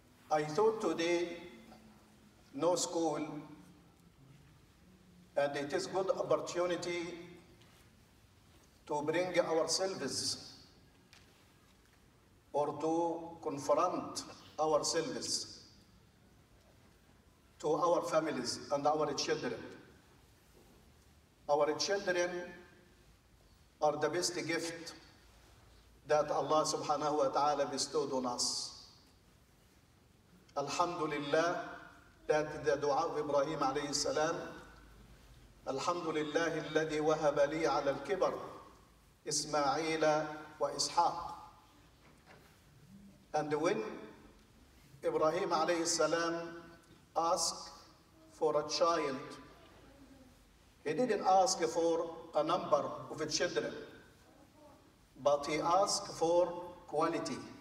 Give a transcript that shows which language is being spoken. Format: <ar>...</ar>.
<en>I thought today, no school, and it is a good opportunity to bring ourselves or to confront ourselves to our families and our children. Our children are the best gift that Allah subhanahu wa ta'ala bestowed on us.</en> <ar>Alhamdulillah,</ar> <en>that the dua of</en> <ar>Ibrahim alayhi salam الحمد لله الذي وهب لي على الكبر إسماعيل وإسحاق.</ar> <en>And when Ibrahim عليه السلام asked for a child, he didn't ask for a number of children, but he asked for quality.</en>